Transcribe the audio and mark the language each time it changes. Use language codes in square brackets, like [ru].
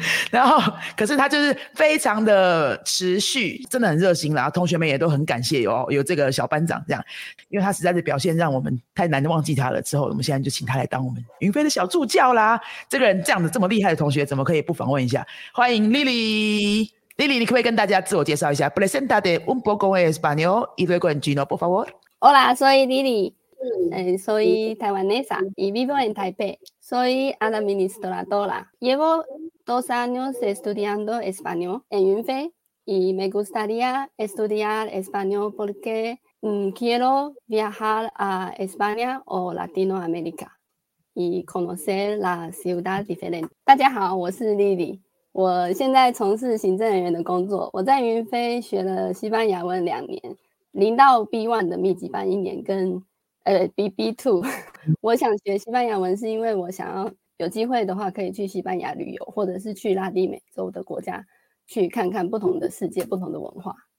[zh] 然后可是他就是非常的持续，真的很热心啦，同学们也都很感谢 有这个小班长这样，因为他实在是表现让我们太难忘记他了，之后我们现在就请他来当我们云飞的小助教啦。这个人这样的这么厉害的同学怎么可以不访问一下，欢迎 Lily。 Lily， 你可不可以跟大家自我介绍一下 [es] Presentate un poco en español y luego en chino por favor。 Hola， soy LilySoy taiwanesa y vivo en Taipei. Soy administradora. Llevo dos años estudiando español en Yunfei y me gustaría estudiar español porque quiero viajar a España o Latinoamérica y conocer la ciudad diferente. [zh] 大家好，我是 Lily， 我现在从事行政人员的工作。我在Yunfei学了西班牙文两年，零到 B1 的密集班一年，跟BB2 我想学西班牙文是因为我想要有机会的话可以去西班牙旅游，或者是去拉丁美洲的国家去看看不同的世界不同的文化。